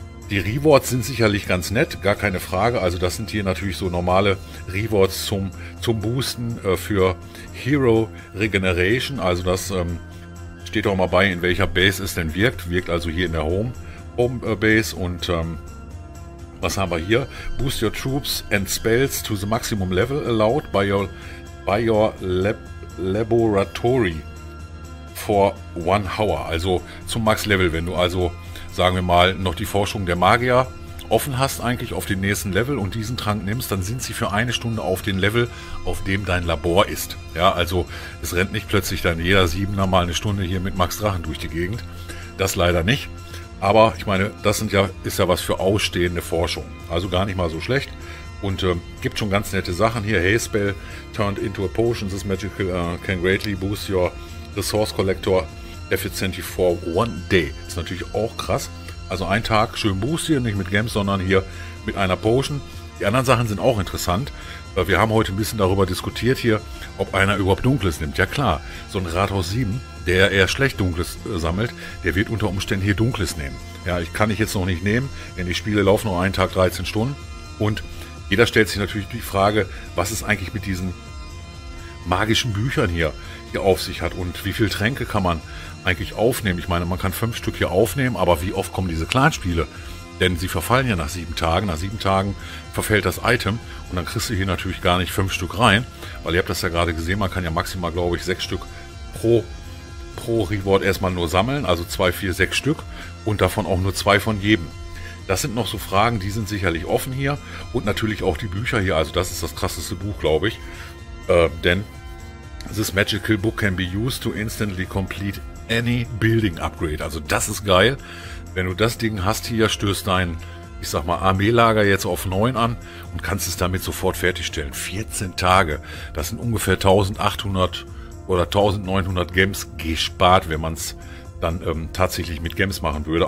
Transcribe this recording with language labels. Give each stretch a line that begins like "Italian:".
German: Die Rewards sind sicherlich ganz nett, gar keine Frage. Also das sind hier natürlich so normale Rewards zum Boosten für Hero Regeneration. Also das steht auch mal bei, in welcher Base es denn wirkt. Wirkt also hier in der Home Base. Und was haben wir hier?
English: Boost your troops and spells to the maximum level allowed by your laboratory for 1 hour.
German: Also zum Max Level, wenn du also, sagen wir mal, noch die Forschung der Magier offen hast, eigentlich auf dem nächsten Level, und diesen Trank nimmst, dann sind sie für eine Stunde auf dem Level, auf dem dein Labor ist. Ja, also es rennt nicht plötzlich dann jeder Siebener mal eine Stunde hier mit Max Drachen durch die Gegend. Das leider nicht. Aber ich meine, das ist ja was für ausstehende Forschung. Also gar nicht mal so schlecht. Und gibt schon ganz nette Sachen hier.
English: Hey Spell turned into a potion. This magical can greatly boost your resource collector efficiency for one day.
German: Ist natürlich auch krass. Also ein Tag schön Boost hier, nicht mit Gems, sondern hier mit einer Potion. Die anderen Sachen sind auch interessant. Wir haben heute ein bisschen darüber diskutiert hier, ob einer überhaupt Dunkles nimmt. Ja klar, so ein Rathaus 7, der eher schlecht Dunkles sammelt, der wird unter Umständen hier Dunkles nehmen. Ja, ich kann ich jetzt noch nicht nehmen, denn die Spiele laufen nur einen Tag 13 Stunden. Und jeder stellt sich natürlich die Frage, was ist eigentlich mit diesen magischen Büchern hier auf sich hat und wie viele Tränke kann man eigentlich aufnehmen. Ich meine, man kann 5 Stück hier aufnehmen, aber wie oft kommen diese Clan-Spiele? Denn sie verfallen ja nach 7 Tagen. Nach 7 Tagen verfällt das Item und dann kriegst du hier natürlich gar nicht 5 Stück rein, weil ihr habt das ja gerade gesehen, man kann ja maximal, glaube ich, 6 Stück pro Reward erstmal nur sammeln, also 2, 4, 6 Stück und davon auch nur 2 von jedem. Das sind noch so Fragen, die sind sicherlich offen hier und natürlich auch die Bücher hier, also das ist das krasseste Buch, glaube ich.
English: Denn this magical book can be used to instantly complete any building upgrade.
German: Also das ist geil. Wenn du das Ding hast hier, stößt dein, ich sag mal, Armeelager jetzt auf 9 an und kannst es damit sofort fertigstellen. 14 Tage. Das sind ungefähr 1800 oder 1900 Gems gespart, wenn man es dann tatsächlich mit Gems machen würde.